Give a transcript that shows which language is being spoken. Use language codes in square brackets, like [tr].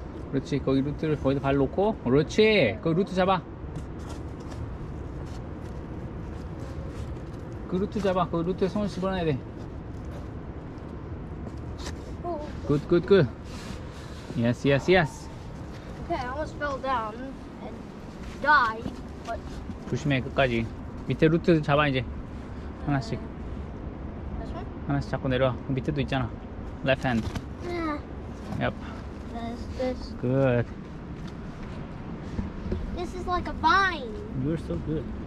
[ko] 그렇지 거기 루트를 거기다 발 놓고 그렇지 거기 루트 잡아 그 루트 잡아 그 루트에 손을 집어넣어야 돼 굿굿굿 예스 예스 예스 [en] 오케이 I almost fell down and died but [ko] 조심해 끝까지 밑에 루트 잡아 이제 하나씩 [en] this one? [ko] 하나씩 잡고 내려와. 그 밑에도 있잖아. [en] Left hand. Yeah. Yep. That's this. Good. This is like a vine. You're so good.